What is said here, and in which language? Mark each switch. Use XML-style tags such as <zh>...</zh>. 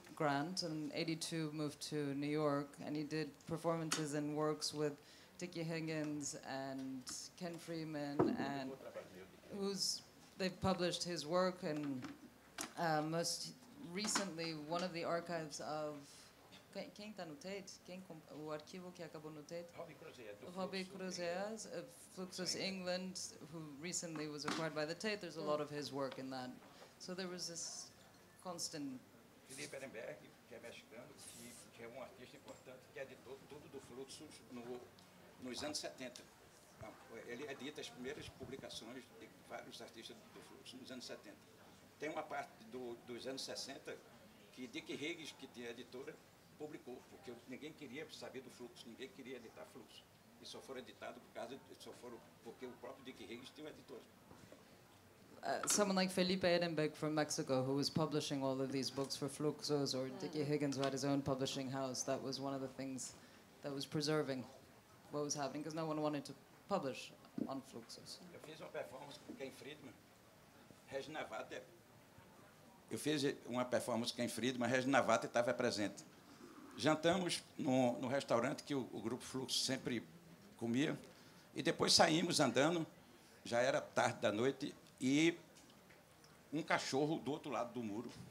<en>Grant, and in 82 moved to New York, and he did performances and works with Dickie Higgins and Ken Freeman, and who's they've published his work, and most recently one of the archives of</en> <pt>quem tá no Tate,</pt> <en>quem o arquivo que acabou no Tate, Robbie Cruzeas of Fluxus England, who recently was acquired by the Tate. There's a lot of his work in that, so there was this constant.</en> <pt>Felipe Ehrenberg, que é mexicano, que é artista importante, que editou tudo do Fluxus nos anos 70. Ele edita as primeiras publicações de vários artistas do Fluxus nos anos 70. Tem uma parte dos anos 60 que Dick Higgins, que tinha editora, publicou, porque ninguém queria saber do Fluxus, ninguém queria editar Fluxus. E só foram editados porque o próprio Dick Higgins tinha uma editora.</pt> <en>Someone like Felipe Ehrenberg from Mexico, who was publishing all of these books for Fluxus, or Dickie Higgins, who had his own publishing house, that was one of the things that was preserving what was happening, because no one wanted to publish on Fluxus.</en> <pt>Eu fiz uma performance com Ken Friedman, Reginavata. Eu fiz uma performance com Ken Friedman, Reginavata estava presente. Jantamos no restaurante que o grupo Fluxus sempre comia, e depois saímos andando, já era tarde da noite, e um cachorro do outro lado do muro.</pt>